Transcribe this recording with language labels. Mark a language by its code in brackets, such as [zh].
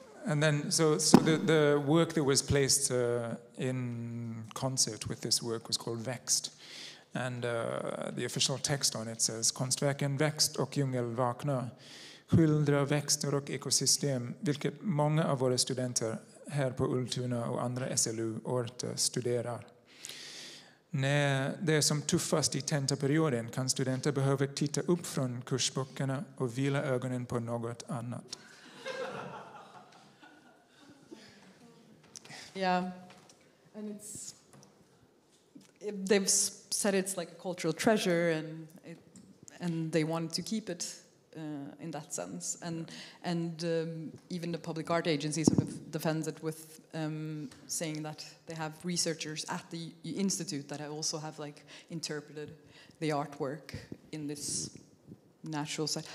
[en] And then, so the work that was placed in concert with this work was called Växt. And the official text on it says, [sv] "Konstverken Växt och Djungel Vaknar skildrar växter och ekosystem, vilket många av våra studenter här på Ultuna och andra SLU-orter studerar. När det är som tuffast i tentaperioden kan studenter behöva titta upp från kursböckerna och vila ögonen på något annat." [en] Yeah, and they've said it's like a cultural treasure, and they wanted to keep it in that sense. And even the public art agency sort of defends it with saying that they have researchers at the institute that also have like interpreted the artwork in this natural sense.